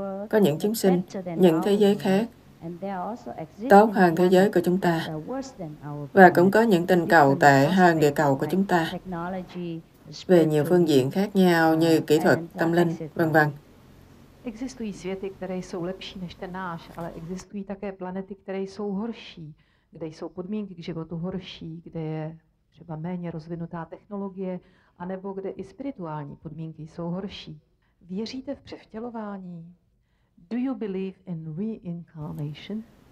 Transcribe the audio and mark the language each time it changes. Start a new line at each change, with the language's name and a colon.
Vietnamese: Có những chúng sinh, những thế giới khác tốt hơn thế giới của chúng ta và cũng có những tinh cầu tệ hơn địa cầu của chúng ta về nhiều phương diện khác nhau như kỹ thuật, tâm linh, v.v.
Czech: Existují světy, které jsou lepší než ten náš, ale existují také planety, které jsou horší, kde jsou podmínky k životu horší, kde je třeba méně rozvinutá technologie, anebo kde i spirituální podmínky jsou horší. Věříte v převtělování?
English: Do you believe in reincarnation?